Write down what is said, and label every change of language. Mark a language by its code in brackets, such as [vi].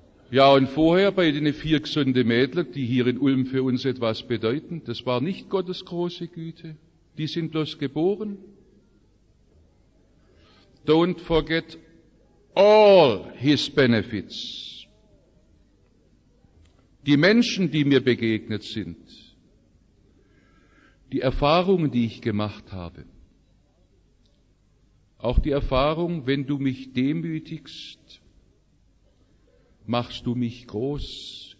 [de] Ja, und vorher bei den vier gesunden Mädchen, die hier in Ulm für uns etwas bedeuten, das war nicht Gottes große Güte. Die sind bloß geboren. [en] Don't forget all his benefits. [de] Die Menschen, die mir begegnet sind, die Erfahrungen, die ich gemacht habe, auch die Erfahrung, wenn du mich demütigst, machst du mich groß.